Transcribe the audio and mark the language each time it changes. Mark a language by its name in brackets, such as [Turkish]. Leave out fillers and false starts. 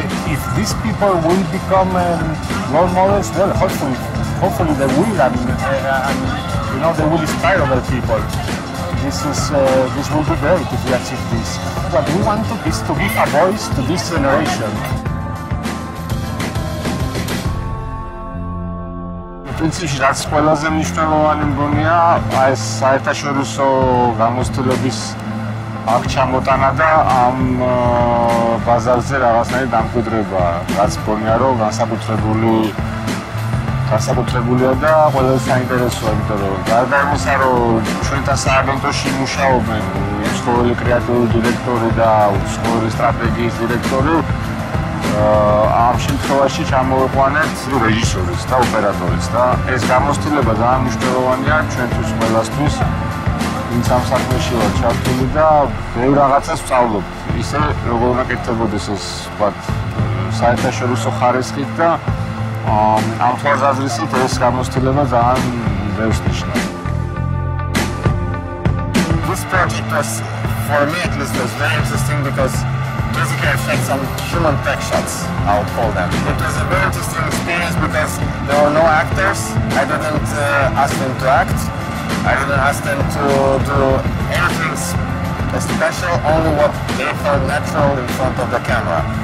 [English] If these people will become role models, well, hopefully they will, and you know, they will inspire other people. This will be great if we achieve this. What we want to do is to give a voice to this generation. [Georgian] Принципში რაც ყველაზე მნიშვნელოვანი მგონია, აი ეს საერთაშორისო გამოცდილების აქ ჩამოტანა და ამ ბაზარზე რაღაცნაირი დამკვიდრება, რაც მგონია, რომ განსაკუთრებულია და ყველაზე საინტერესოა, იმიტომ რომ გარდა იმისა, რომ ჩვენთან სააგენტოში მუშაობენ უცხოელი კრეატიული დირექტორი და უცხოელი სტრატეგიის დირექტორი, ამ შემთხვევაში ჩამოვიყვანეთ რეჟისორის და ოპერატორის და ეს გამოცდილება ძალიან მნიშვნელოვანია ჩვენთვის ყველასთვის, ვინც ამ საქმეში ვარ ჩართული და ბევრ რაღაცას ვწავლობთ, ისე როგორ ნაკეთებოდეს ეს ვთქვათ საერთაშორისო ხარისხით და ამ თვალსაზრისით ეს გამოცდილება ძალიან ბევრს ნიშნავს. [English] This project was for me at least was very interesting because basically, I had some human tech shots, I would call them. It was a very interesting experience because there were no actors. I didn't ask them to act. I didn't ask them to do anything special, only what they felt natural in front of the camera.